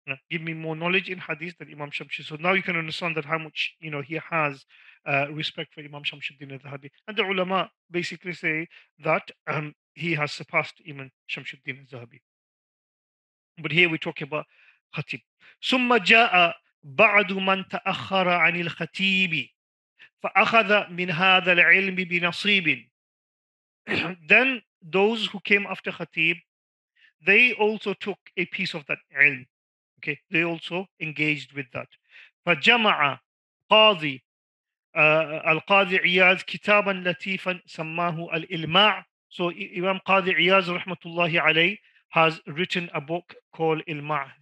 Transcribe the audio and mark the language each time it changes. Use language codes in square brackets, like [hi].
[en] Give me more knowledge in hadith than Imam Shamsuddin. So now you can understand that how much, you know, he has respect for Imam Shamsuddin al-Dhahabi. And the ulama basically say that he has surpassed Imam Shamsuddin al-Dhahabi. But here we talk about Khatib. [ar] Summa ja'a بعد من تأخر عن الخطيب فأخذ من هذا العلم بنصيب. [en] Then those who came after Khatib, they also took a piece of that علم. Okay, they also engaged with that. [ar] فجمع قاضي القاضي عياذ كتابا لطيفا سماه الإلماع. [en] So Imam Qadi Iyaz rahmatullahi alayh has written a book called Ilma.